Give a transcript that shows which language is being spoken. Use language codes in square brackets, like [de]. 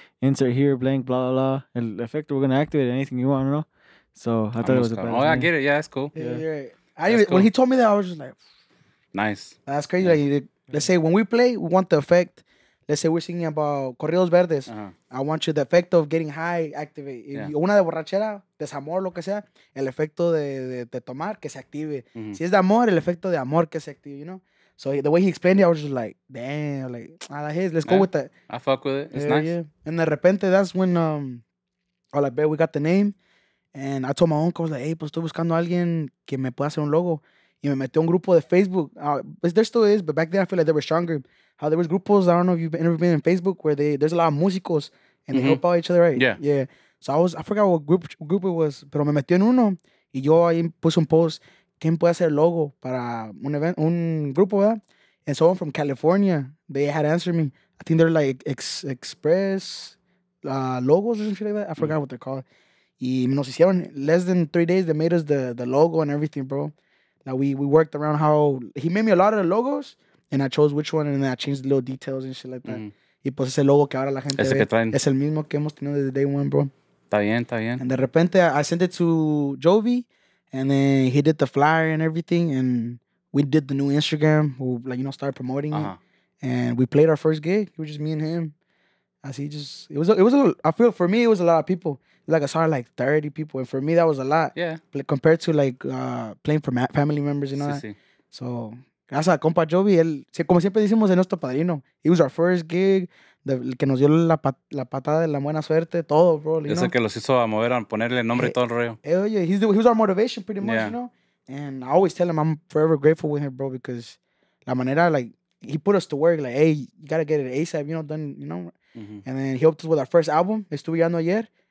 [en] Insert here, blank, blah, blah, blah. [es] El efecto, [en] we're going to activate it, anything you want, you know? So I thought it was cool. Oh, I get it. Yeah, that's cool. When he told me that, I was just like, nice. That's crazy. Yeah. Like, let's say, when we play, we want the effect. Let's say we're singing about Corridos Verdes. I want you the effect of getting high, activate. Yeah. [es] Una de borrachera, desamor, lo que sea, el efecto de tomar, que se active. Mm-hmm. Si es de amor, el efecto de amor, que se active, [en] you know? So the way he explained it, I was just like, damn, like, ah, that is, let's go with that. I fuck with it. It's nice. Yeah. And [es] de repente, [en] that's when, babe, we got the name. And I told my uncle, I was like, hey, [es] pues estoy buscando a alguien que me pueda hacer un logo. Y me metió un grupo de Facebook. [en] There still is, but back then I feel like they were stronger. How there was groups, I don't know if you've ever been in Facebook, where there's a lot of músicos, and they help out each other, right? Yeah. Yeah. So I forgot what group it was, [es] pero me metió en uno, y yo ahí puse un post, ¿quién puede hacer logo para un event, un grupo, verdad? [en] And someone from California, they had answered me. I think they're like Express Logos or something like that. I forgot what they're called. [es] Y nos hicieron, [en] less than 3 days, they made us the logo and everything, bro. Like, we worked around how, he made me a lot of the logos, and I chose which one, and then I changed the little details and shit like that. [es] Y pues ese logo que ahora la gente ve, es el mismo que hemos tenido desde day one, bro. Está bien, está bien. [en] And [es] de repente, [en] I sent it to Jovi, and then he did the flyer and everything, and we did the new Instagram, who, like, you know, started promoting it. And we played our first gig, it was just me and him. I feel for me, it was a lot of people. Like, I saw like 30 people, and for me, that was a lot. Yeah. Compared to like playing for family members, you know? [es] Sí, sí. So, gracias a compa Jovi, él, como siempre decimos, es nuestro padrino. [en] He was our first gig, [es] el que nos dio la patada de la buena suerte, todo, bro. Es el que los hizo a mover, a ponerle nombre y todo el rollo. [en] Oye, he was our motivation pretty much, you know? And I always tell him I'm forever grateful with him, bro, because [es] la manera, [en] like, he put us to work, like, hey, you gotta get it ASAP, you know, done, you know? And then he helped us with our first album, Estudiando Ayer.